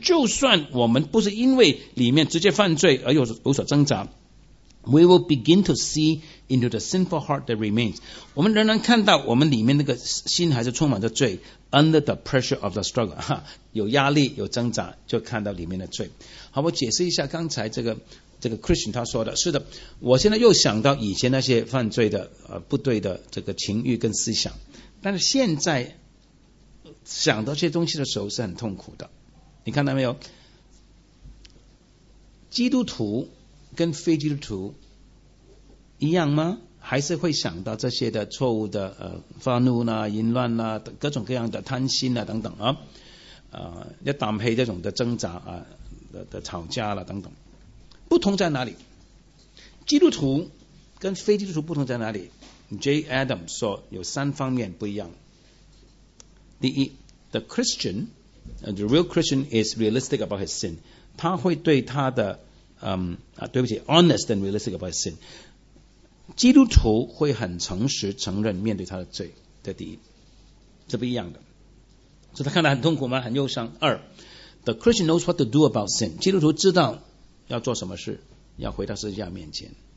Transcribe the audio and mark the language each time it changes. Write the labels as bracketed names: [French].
[Chinese] 就算我们不是因为里面直接犯罪而有所挣扎。 [English] We will begin to see into the sinful heart that remains. [Chinese] 我们仍然看到我们里面那个心还是充满着罪 [English] under the pressure of the struggle. [Chinese] 有压力有挣扎就看到里面的罪。好，我解释一下刚才这个 Christian 他说的，是的，我现在又想到以前那些犯罪的不对的这个情欲跟思想，但是现在想到这些东西的时候是很痛苦的。你看到没有，基督徒跟非基督徒一样吗？还是会想到这些的错误的发怒啦、淫乱啦、各种各样的贪心啦等等啊，要担起这种的挣扎啊的吵架啦等等。不同在哪里？基督徒跟非基督徒不同在哪里 ？J. Adams 说有三方面不一样。 [English] 第一 ，the Christian, the real Christian is realistic about his sin. [Chinese] 他会对他的对不起 ， [English] honest and realistic about sin， [Chinese] 基督徒会很诚实承认面对他的罪，这第一，这不一样的，所以他看得很痛苦吗？很忧伤。二 ， [English] the Christian knows what to do about sin， [Chinese] 基督徒知道要做什么事，要回到十字架面前。